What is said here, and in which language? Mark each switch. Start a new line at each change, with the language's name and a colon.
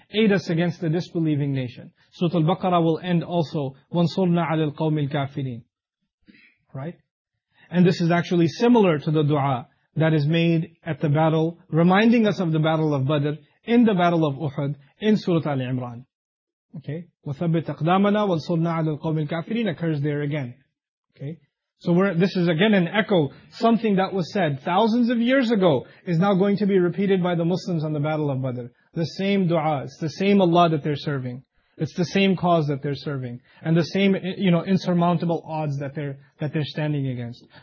English: Aid us against the disbelieving nation. Surah Al-Baqarah will end also.
Arabic: وَانْصُرْنَا عَلَى الْقَوْمِ الْكَافِرِينَ.
English: Right? And this is actually similar to the dua that is made at the battle, reminding us of the battle of Badr, in the battle of Uhud, in Surah Al-Imran. Okay?
Arabic: وَثَبِّتْ أَقْدَامَنَا وَانْصُرْنَا عَلَى الْقَوْمِ الْكَافِرِينَ
English: occurs there again. Okay? So this is again an echo, something that was said thousands of years ago is now going to be repeated by the Muslims on the Battle of Badr. The same dua, it's the same Allah that they're serving. It's the same cause that they're serving. And the same, you know, insurmountable odds that they're standing against.